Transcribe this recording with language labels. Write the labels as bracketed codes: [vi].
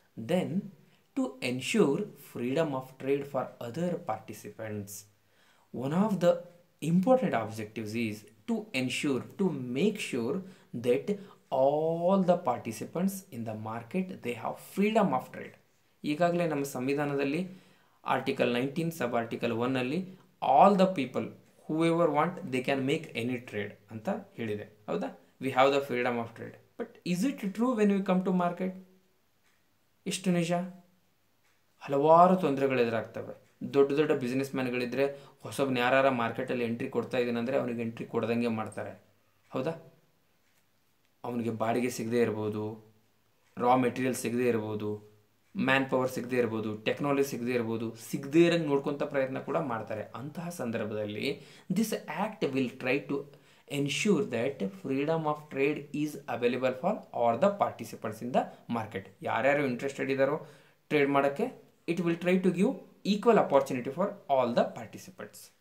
[en] Then to ensure freedom of trade for other participants, one of the important objectives is to ensure, to make sure that all the participants in the market, they have freedom of trade. [kn] ಈಗಾಗಲೇ ನಮ್ಮ ಸಂವಿಧಾನದಲ್ಲಿ article 19 ಸಬ್ article 1 ಅಲ್ಲಿ [en] all the people, whoever want, they can make any trade [kn] ಅಂತ ಹೇಳಿದೆ, ಹೌದಾ? [en] We have the freedom of trade. But is it true when we come to market? [kn] ಇಷ್ಟು ನಿಜ? ಹಲವಾರು ತೊಂದರೆಗಳು ಎದುರಾಗ್ತವೆ. ದೊಡ್ಡ ದೊಡ್ಡ ಬಿಸ್ನೆಸ್ಮ್ಯಾನ್ಗಳಿದ್ದರೆ ಹೊಸಬ್ನ ಯಾರು ಮಾರ್ಕೆಟಲ್ಲಿ ಎಂಟ್ರಿ ಕೊಡ್ತಾ ಇದ್ದಾನಂದರೆ ಅವನಿಗೆ ಎಂಟ್ರಿ ಕೊಡ್ದಂಗೆ ಮಾಡ್ತಾರೆ, ಹೌದಾ? ಅವನಿಗೆ ಬಾಡಿಗೆ ಸಿಗದೇ ಇರ್ಬೋದು, ರಾ ಮೆಟೀರಿಯಲ್ ಸಿಗದೇ ಇರ್ಬೋದು, ಮ್ಯಾನ್ ಪವರ್ ಸಿಗದೇ ಇರ್ಬೋದು, ಟೆಕ್ನಾಲಜಿ ಸಿಗದೇ ಇರ್ಬೋದು, ಸಿಗದೇ ಇರೋಂಗೆ ನೋಡ್ಕೊಂತ ಪ್ರಯತ್ನ ಕೂಡ ಮಾಡ್ತಾರೆ. ಅಂತಹ ಸಂದರ್ಭದಲ್ಲಿ [en] This act will try to ensure that freedom of trade is available for all the participants in the market. [kn] Yaar interested idaro trade madakke, [en] it will try to give equal opportunity for all the participants.